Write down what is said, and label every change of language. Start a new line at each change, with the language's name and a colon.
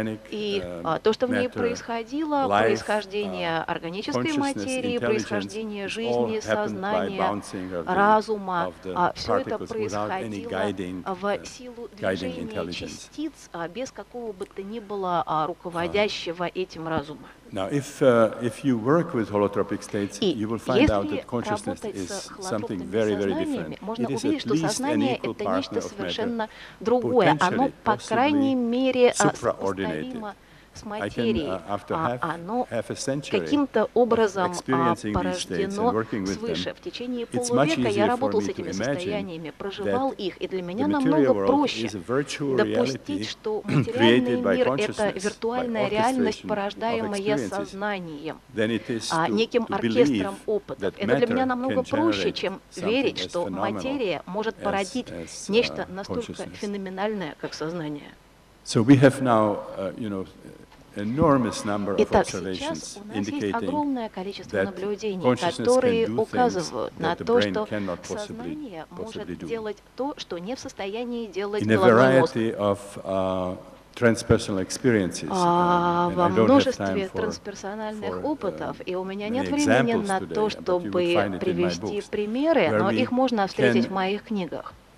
Russian: И то, что в ней происходило, происхождение органической материи, происхождение жизни, сознания, разума, все это происходило в силу движения частиц, без какого бы то ни было руководящего этим разума.
English: Now, if you work with holotropic states, you will find out that consciousness is something very, very different. It is at least an equal partner of matter, potentially, possibly, supraordinated. I can, after half a century of experiencing these states and working with them, it's much easier for me to imagine that the material world is a virtual reality created by consciousness, by orchestration of experiences, than it is to believe that matter can generate something as phenomenal as consciousness. So we have now, you know, enormous number of
Russian: Итак,
English: observations
Russian: сейчас у нас
English: indicating
Russian: есть огромное количество наблюдений, которые указывают на то, что сознание
English: possibly
Russian: может
English: do.
Russian: Делать то, что не в состоянии делать
English: In
Russian: головной мозг.
English: Of, transpersonal experiences,
Russian: во множестве трансперсональных опытов, и у меня нет времени на то, чтобы привести примеры, но их можно встретить в моих книгах.